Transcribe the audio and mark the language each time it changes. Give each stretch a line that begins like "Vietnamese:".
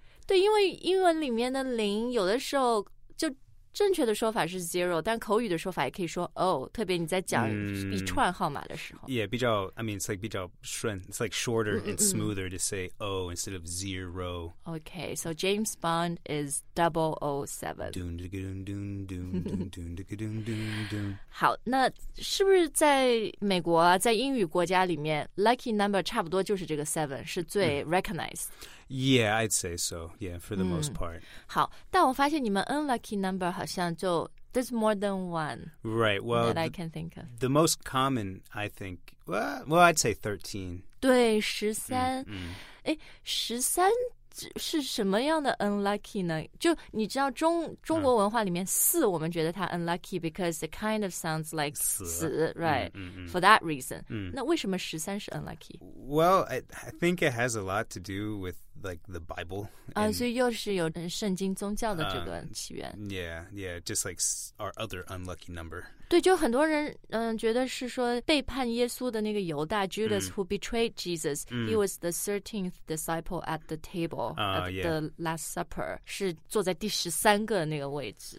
Chinese: 对，因为英文里面的零有的时候就正确的说法是 zero, 但口语的说法也可以说 oh, 特别你在讲一串号码的时候。
English: Yeah,
Chinese: 比较
English: I mean, it's like
Chinese: 比较顺
English: it's like shorter and smoother to say oh instead of zero. Okay, so James Bond is 007.
Chinese: 好，那是不是在美国啊，在英语国家里面
English: lucky number
Chinese: 差不多就是这个 seven, 是最 recognized?
English: Yeah, I'd say so. Yeah, for the most part.
Chinese: 好，但我发现你们
English: unlucky number
Chinese: 好像就
English: there's more than one. Right. Well, that I can think of. The most common, I think. Well, I'd say 13.
Chinese: 对，十三。十三是什么样的 unlucky 呢？就你知道中国文化里面四，我们觉得它
English: unlucky because it kind of sounds like
Chinese: 死
English: right? For that reason.
Chinese: 那为什么十三是 unlucky?
English: Well, I think it has a lot to do with. Like the Bible.
Chinese: And, 所以又是有圣经宗教的这个起源。
English: Just like our other unlucky number.
Chinese: 对，就很多人觉得是说背叛耶稣的那个犹大
English: Judas who betrayed Jesus. He was the 13th disciple at the table at the Last Supper.
Chinese: 是坐在第十三个那个位置。